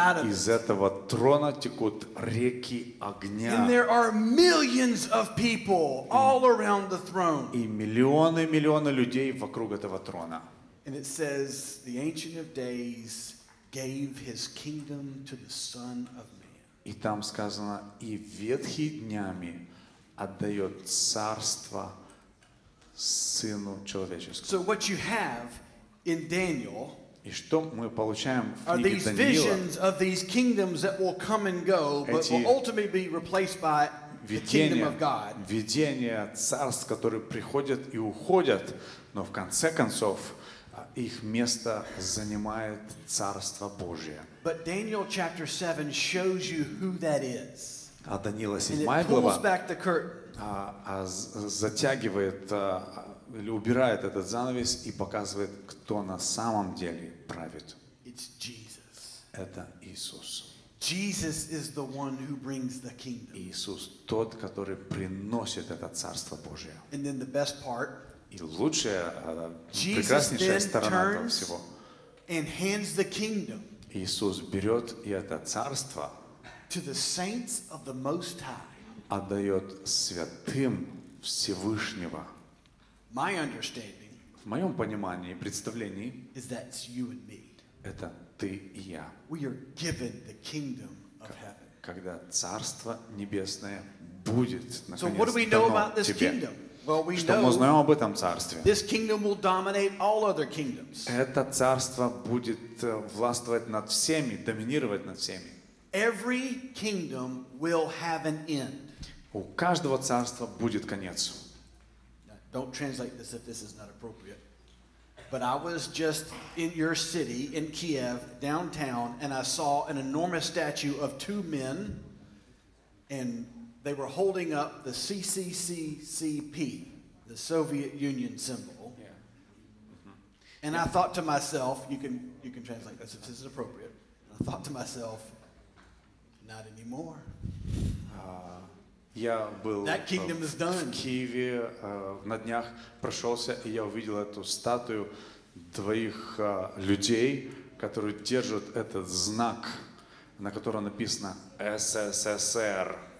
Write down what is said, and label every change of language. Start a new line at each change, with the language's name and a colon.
Russian: из этого трона текут реки огня. И миллионы людей вокруг этого трона. И это
English: says the Ancient of Days gave his kingdom to the Son of Man.
Russian: И там сказано, и Ветхий Днями отдает царство Сыну Человеческому.
English: So what you have in Daniel?
Russian: И что мы получаем в книге
English: Даниила? Are these visions of these kingdoms that will come and go, but will ultimately be replaced by the kingdom of God?
Russian: Видения царств, которые приходят и уходят, но в конце концов их место занимает Царство Божие.
English: But Daniel chapter 7 shows you who that is.
Russian: А Даниила 7 глава затягивает или убирает этот занавес и показывает, кто на самом деле правит.
English: It's Jesus.
Russian: Это Иисус.
English: Jesus is the one who brings the kingdom.
Russian: Иисус тот, который приносит это Царство Божие.
English: And then the best part.
Russian: И лучшая, прекраснейшая сторона этого всего.
English: And hands the kingdom.
Russian: Иисус берет и это царство
English: to the saints of the Most High.
Russian: Отдает святым Всевышнего.
English: My understanding
Russian: в моем понимании и представлении
English: is that it's you and me.
Russian: Это ты и я.
English: We are given the kingdom of heaven.
Russian: Когда Царство Небесное будет наконец-то дано тебе.
English: So what do we know about this kingdom?
Russian: что мы узнаем об этом царстве.
English: This kingdom will dominate all other kingdoms.
Russian: Это царство будет властвовать над всеми, доминировать над всеми.
English: Every kingdom will have an end.
Russian: У каждого царства будет конец.
English: Don't translate this if this is not appropriate. But I was just in your city, in Kiev, downtown, and I saw an enormous statue of two men, and they were holding up the CCCCP, the Soviet Union symbol. Yeah. Mm-hmm. And yeah. I thought to myself, you can translate this if this is appropriate. I thought to myself, not anymore.
Russian: Я был в Киеве на днях, прошелся, и я увидел эту статую двоих людей, которые держат этот знак, на котором написано «СССР».